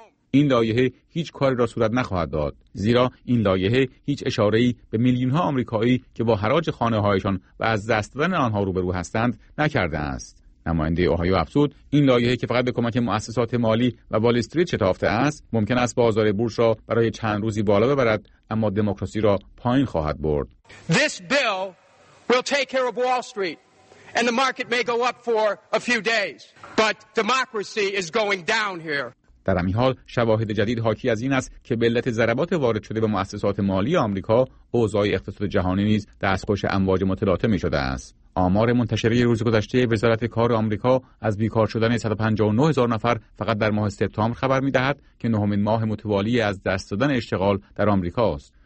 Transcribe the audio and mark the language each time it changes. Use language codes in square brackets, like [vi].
[fa] این لایحه هیچ کاری را صورت نخواهد داد، زیرا این لایحه هیچ اشاره‌ای به میلیون‌ها آمریکایی که با حراج خانه‌هایشان و از دست دادن آنها روبرو هستند نکرده است. نماینده اوهایو افزود این لایحه که فقط به کمک مؤسسات مالی و وال استریت شتافته است ممکن است بازار بورس را برای چند روزی بالا ببرد، اما دموکراسی را پایین خواهد برد. [en] This bill will take care of Wall Street. And the market may go up for a few days, but democracy is going down here. [fa] در همین حال شواهد جدید حاکی از این است که به علت ضربات وارد شده به مؤسسات مالی آمریکا، اوضاع اقتصاد جهانی نیز دستخوش امواج متلاطم شده است. آمار منتشره روز گذشته وزارت کار آمریکا از بیکار شدن 159 هزار نفر فقط در ماه سپتامبر خبر می‌دهد که نهمین ماه متوالی از دست دادن اشتغال در آمریکا است.